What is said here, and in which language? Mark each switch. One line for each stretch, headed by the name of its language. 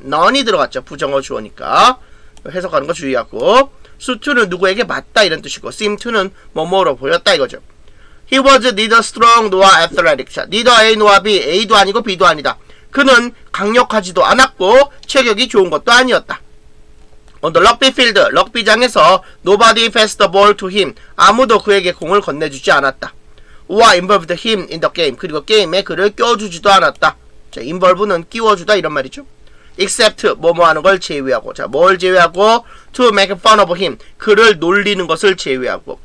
Korean: none이 들어갔죠. 부정어 주어니까. 해석하는 거 주의하고. suit는 누구에게 맞다 이런 뜻이고. seem to는 뭐뭐로 보였다 이거죠.
English: He was neither strong nor athletic. 자, neither A nor B.
Korean: A도 아니고 B도 아니다. 그는 강력하지도 않았고 체격이 좋은 것도 아니었다.
English: On the rugby field,
Korean: 럭비장에서
English: nobody passed the ball to him.
Korean: 아무도 그에게 공을 건네주지 않았다.
English: Or involved him in the game.
Korean: 그리고 게임에 그를 껴주지도 않았다. 자, involve는 끼워주다 이런 말이죠. Except, 뭐뭐 하는 걸 제외하고. 자, 뭘 제외하고?
English: To make fun of him.
Korean: 그를 놀리는 것을 제외하고.